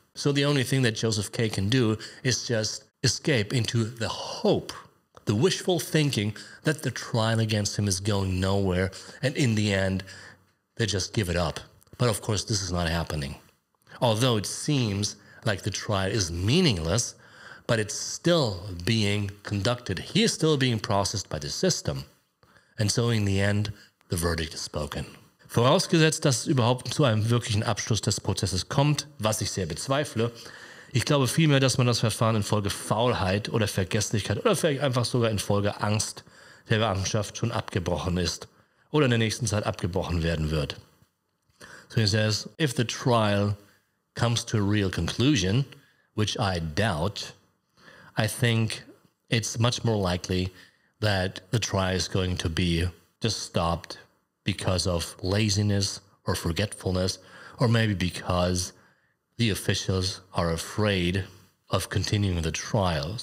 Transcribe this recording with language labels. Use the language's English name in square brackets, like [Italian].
[English] So the only thing that Joseph K. can do is just escape into the hope, the wishful thinking that the trial against him is going nowhere, and in the end, they just give it up. But of course, this is not happening. Although it seems like the trial is meaningless, but it's still being conducted. He is still being processed by the system. And so in the end, the verdict is spoken. [German] Vorausgesetzt, dass es überhaupt zu einem wirklichen Abschluss des Prozesses kommt, was ich sehr bezweifle. Ich glaube vielmehr, dass man das Verfahren infolge Faulheit oder Vergesslichkeit oder vielleicht einfach sogar infolge Angst der Beamtschaft schon abgebrochen ist oder in der nächsten Zeit abgebrochen werden wird. [English] So he says, if the trial comes to a real conclusion, which I doubt, I think it's much more likely that the trial is going to be just stopped because of laziness or forgetfulness, or maybe because the officials are afraid of continuing the trial.